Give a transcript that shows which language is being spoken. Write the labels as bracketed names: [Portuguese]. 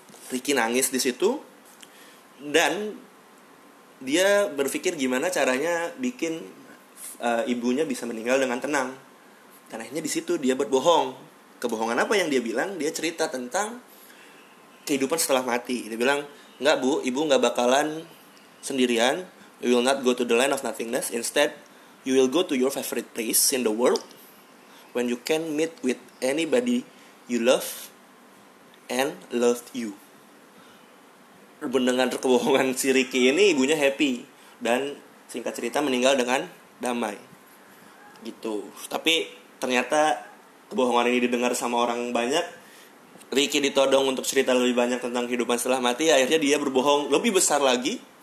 [Indonesian] Ricky nangis di situ, dan dia berpikir gimana caranya bikin ibunya bisa meninggal dengan tenang. Dan akhirnya di situ dia berbohong. Kebohongan apa yang dia bilang? Dia cerita tentang kehidupan setelah mati. Dia bilang, enggak bu, ibu enggak bakalan sendirian. [English] You will not go to the land of nothingness. Instead, you will go to your favorite place in the world when you can meet with anybody you love and loved you. [Indonesian] Dengan kebohongan si Ricky ini, ibunya happy. Dan singkat cerita meninggal dengan damai. Gitu. Tapi ternyata kebohongan ini didengar sama orang banyak. Ricky ditodong untuk cerita lebih banyak tentang kehidupan setelah mati. Akhirnya dia berbohong lebih besar lagi.